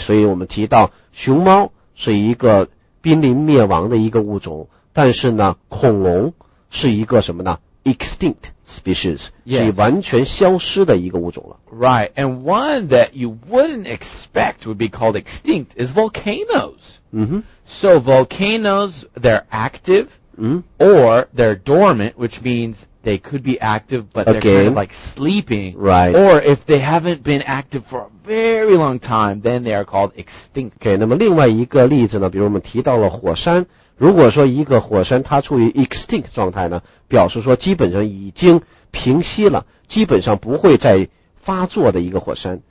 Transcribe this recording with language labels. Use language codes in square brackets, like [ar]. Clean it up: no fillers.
[zh] 所以我们提到熊猫是一个濒临灭亡的一个物种，但是呢，恐龙是一个什么呢？ [en] extinct species. Yes. [zh] 是完全消失的一个物种了。 [en] Right, and one that you wouldn't expect would be called extinct is volcanoes. Mm-hmm. So volcanoes, they're active、 mm-hmm. or they're dormant, which means... They could be active, but they're、 okay. kind of like sleeping. Right. Or if they haven't been active for a very long time, then they are called extinct. [zh] Okay, 那么另外一个例子呢，比如我们提到了火山，如果说一个火山它处于 extinct 状态呢，表示说基本上已经平息了，基本上不会再发作的一个火山。